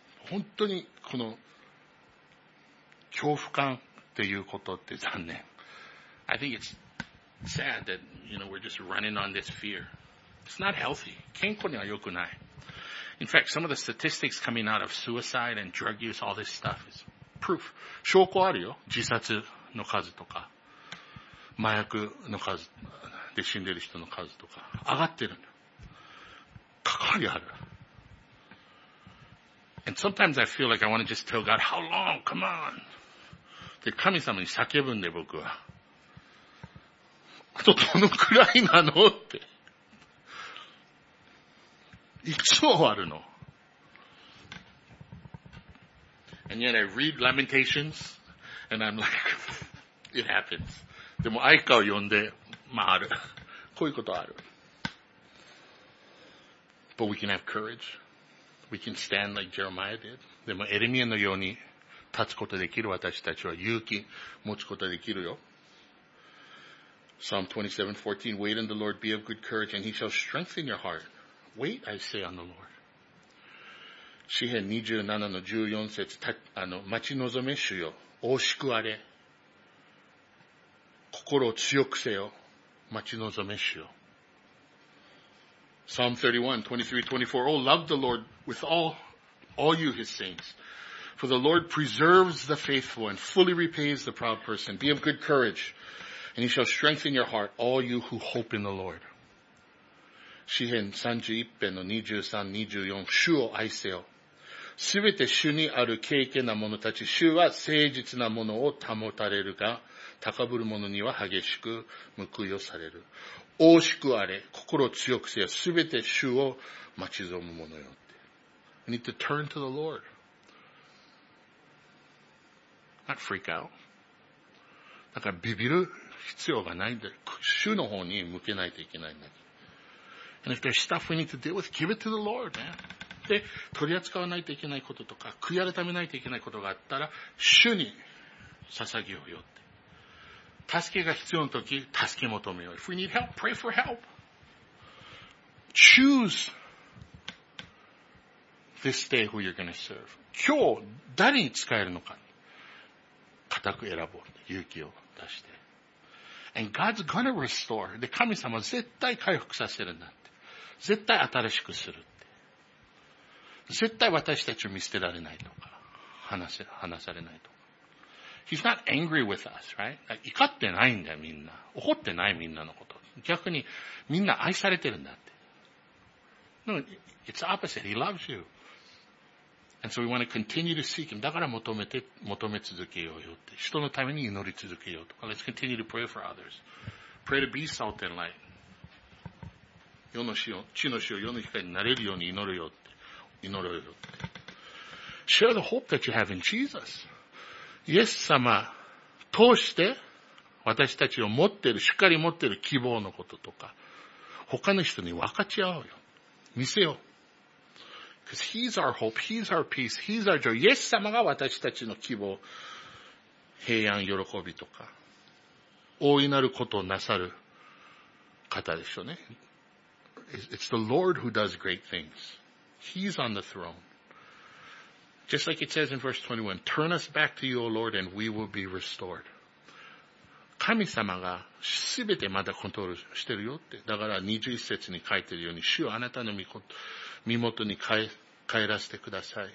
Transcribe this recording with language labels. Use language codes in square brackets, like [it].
[ja] 本当にこの恐怖感っていうことって残念。 [en] I think it's sad that, you know, we're just running on this fear. It's not healthy. [ja] 健康には良くない。 [en] In fact, some of the statistics coming out of suicide and drug use, all this stuff is proof. [ja] 証拠あるよ。自殺の数とか、麻薬の数で死んでる人の数とか、上がってるんだ。関わりある。 [en] And sometimes I feel like I want to just tell God, how long? Come on! [ja] で、神様に叫ぶんで僕は。あとどのくらいなのって。いつ終わるの？ [en] And yet I read Lamentations, and I'm like, it happens. [ja] でも愛歌を読んで、まあある。こういうことある。 [en] But we can have courage. We can stand like Jeremiah did. [ja] でもエレミアのように立つことできる私たちは勇気持つことができるよ。 [en] Psalm 27:14, wait in the Lord, be of good courage, and he shall strengthen your heart. Wait, I say, on the Lord. [ja] 詩編27:14, 待ち望め主よ、惜しくあれ。心を強くせよ、待ち望め主よ。 [en] Psalm 31:23-24, oh, love the Lord with all you his saints. For the Lord preserves the faithful and fully repays the proud person. Be of good courage. And he shall strengthen your heart, all you who hope in the Lord. [ja] 詩編31:23-24、主を愛せよ。すべて主にある敬虔な者たち、主は誠実な者を保たれるが、高ぶる者には激しく報いをされる。惜しくあれ、心を強くせよ。すべて主を待ち望む者よって。 [en] We need to turn to the Lord. Not freak out. [ja] だからビビる。必要がないんで、主の方に向けないといけないんだけど。 [en] And if there's stuff we need to deal with, give it to the Lord, man. [ja] で、取り扱わないといけないこととか、悔い改めないといけないことがあったら、主に捧げようよって。助けが必要なとき、助け求めよう。 [en] If we need help, pray for help. Choose this day who you're going to serve. [ja] 今日、誰に使えるのか。固く選ぼう。勇気を出して。 [en] And God's gonna restore. [ja] で、神様は絶対回復させるんだって。絶対新しくするって。絶対私たちを見捨てられないとか、話されないとか。 [en] He's not angry with us, right? [ja] 怒ってないんだよ、みんな。怒ってない、みんなのこと。逆に、みんな愛されてるんだって。 [en] No, it's opposite. He loves you. And so we want to continue to seek him. [ja] だから求め続けようよって。人のために祈り続けようと。 [en] Let's continue to pray for others. Pray to be salt and light. [ja] 地の塩、世の光になれるように祈るよって。祈るよって。 [en] Share the hope that you have in Jesus. [ja] イエス様、通して私たちを持ってる、しっかり持ってる希望のこととか、他の人に分かち合おうよ。見せよう。 [en] Because He's our hope, He's our peace, He's our joy. [ja] イエス様が私たちの希望、平安、喜びとか、大いなることをなさる方でしょうね。 [en] It's the Lord who does great things. He's on the throne. Just like it says in verse 21, turn us back to you, O Lord, and we will be restored. [ja] 神様がすべてまだコントロールしてるよって。だから21節に書いてるように、主よあなたの身元に帰らせてください。